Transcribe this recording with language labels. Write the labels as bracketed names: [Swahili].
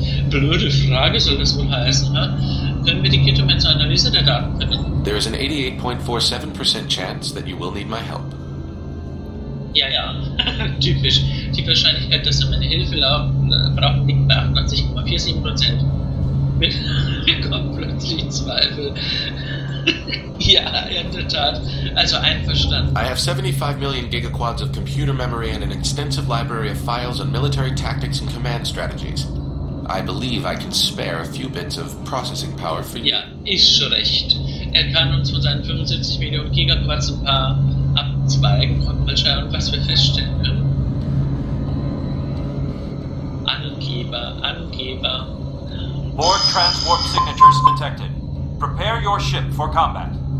[German] Blöde Frage soll das wohl heißen, ha? Können wir die Kittimer zur Analyse der Daten verwenden? [English] There is an 88.47% chance that you will need my help. [German] Ja, ja. Typisch. Die Wahrscheinlichkeit, dass wir meine Hilfe brauchen, liegt bei 88.47%. Mir kommen plötzlich Zweifel. Ja, in der Tat. Also einverstanden. [English] I have 75 million gigaquads of computer memory and an extensive library of files on military tactics and command strategies. I believe I can spare a few bits of processing power for you. [German] Ja, ist schon recht. Kann uns von seinen 75 Millionen Gigaquads ein paar abzweigen und mal schauen, was wir feststellen können. Angeber. [English] Borg transport signatures detected. Prepare your ship for combat.